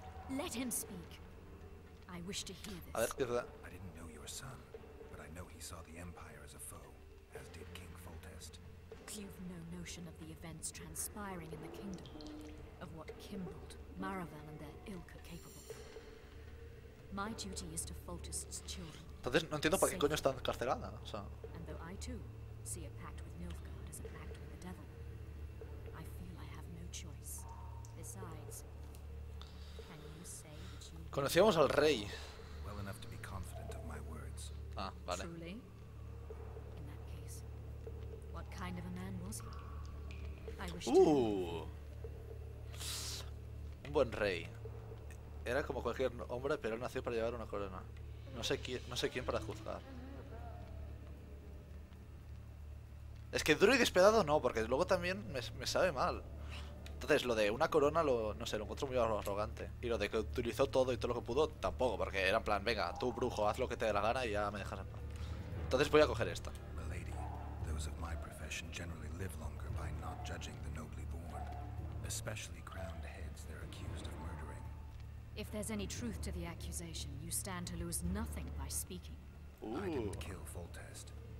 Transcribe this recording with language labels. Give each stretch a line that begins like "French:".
English: Let him speak. I wish to hear this.
Spanish: A ver, ¿qué es verdad?
English: I didn't know your son, but I know he saw the Empire as a foe, as did King Foltest. You've no notion of the events transpiring in the kingdom, of what Kimbolt, Maravan, and their ilk are capable. My duty is to Foltest's children.
Spanish: Entonces no entiendo para qué coño está encarcelada, o sea.
English: And though I too see a pact with Nilfgaard as a pact with the devil, I feel I have no choice. Besides, can you say that you...
Spanish: Conocíamos al rey.
English: Well enough to be confident of my words.
Spanish: Ah, vale.
English: Truly? In that case, what kind of a man was he? I wish to...
Spanish: Un buen rey. Era como cualquier hombre, pero él nació para llevar una corona. No sé quién para juzgar. Es que Druid despedado no, porque luego también me sabe mal. Entonces, lo de una corona, lo encuentro muy arrogante. Y lo de que utilizó todo y todo lo que pudo, tampoco, porque era en plan, venga, tú, brujo, haz lo que te dé la gana y ya me dejas en paz. Entonces voy a coger esto.
English: Milady, those of my profession generally live longer by not judging the nobly born, especially crowned heads they're accused of. If there's any truth to the accusation, you stand to lose nothing by speaking. Ooh. I didn't kill Foltest.